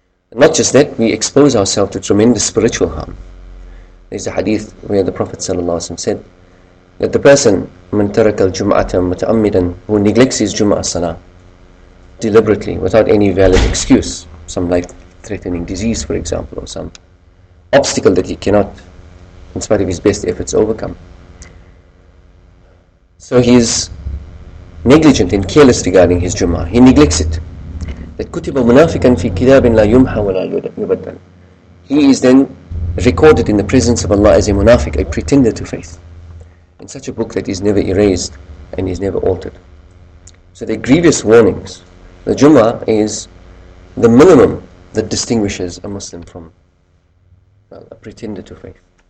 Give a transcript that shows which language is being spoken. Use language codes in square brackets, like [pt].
[en] And not just that, we expose ourselves to tremendous spiritual harm. There's a hadith where the Prophet ﷺ said that the person, [ar] مَنْ تَرَكَ الْجُمْعَةَ مُتَأَمِّدًا, [en] who neglects his Jum'ah salah deliberately, without any valid excuse, some life-threatening disease, for example, or some obstacle that he cannot, in spite of his best efforts, overcome. So he is negligent and careless regarding his Jum'ah. He neglects it. That [ar] كُتِبَ مُنَافِقًا فِي كِتَابٍ لَا يُمْحَى وَلَا يُبَدَّلْ. [en] He is then recorded in the presence of Allah as a munafiq, a pretender to faith, in such a book that is never erased and is never altered. So they're grievous warnings. The Jummah is the minimum that distinguishes a Muslim from, well, a pretender to faith.